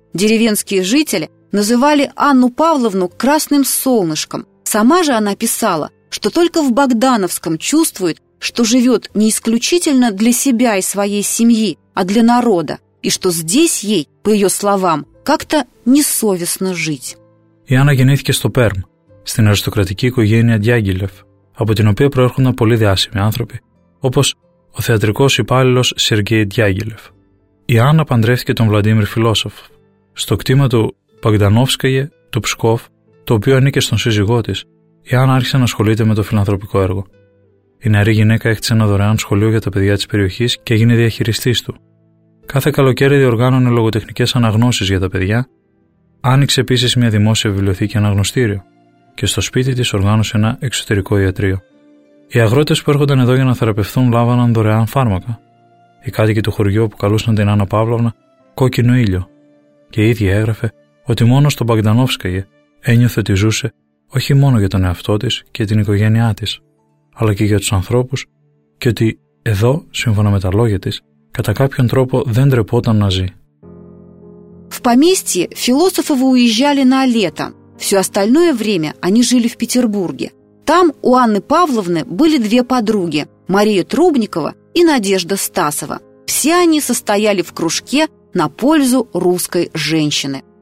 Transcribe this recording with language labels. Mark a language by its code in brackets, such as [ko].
[ru] Деревенские жители называли Анну Павловну «красным солнышком». Сама же она писала, что только в Богдановском чувствует, что живет не исключительно для себя и своей семьи, а для народа, и что здесь ей, по ее словам, как-то несовестно жить. [el] Η Άννα γεννήθηκε στο Πέρμ, στην αριστοκρατική οικογένεια Διάγκυλεφ, από την οποία προέρχονταν πολύ διάσημοι άνθρωποι, όπως ο θεατρικός υπάλληλος Σεργέι Διάγκυλεφ. Η Άννα παντρεύτηκε τον Βλαντίμιρ Φιλόσοφ στο κτήμα του Παγκδανόφσκαγε, του Ψκόφ, το οποίο ανήκε στον σύζυγό της, η Άννα άρχισε να ασχολείται με το φιλανθρωπικό έργο. Η νεαρή γυναίκα έκτισε ένα δωρεάν σχολείο για τα παιδιά της περιοχής και έγινε διαχειριστής του. Κάθε καλοκαίρι διοργάνωνε λογοτεχνικές αναγνώσεις για τα παιδιά, άνοιξε επίσης μια δημόσια βιβλιοθήκη αναγνωστήριο και στο σπίτι της οργάνωσε ένα εξωτερικό ιατρείο. Οι αγρότες που έρχονταν εδώ για να θεραπευθούν λάβαναν δωρεάν φάρμακα. Οι κάτοικοι του χωριού που καλούσαν την Άννα Παύλωνα κόκκινο ήλιο. Και η ίδια έγραφε ότι μόνο στον Μπαγκδανόφσκαγε ένιωθε ότι ζούσε όχι μόνο για τον εαυτό της και την οικογένειά της, αλλά και για τους ανθρώπους, και ότι εδώ, σύμφωνα με τα λόγια της, κατά κάποιον τρόπο δεν ντρεπόταν να ζει. [ru] В поместье философы выезжали на лето. Все остальное время они жили в Петербурге. Там у Анны Павловны были две подруги – Мария Трубникова и Надежда Стасова. Все они состояли в кружке на пользу русской женщины.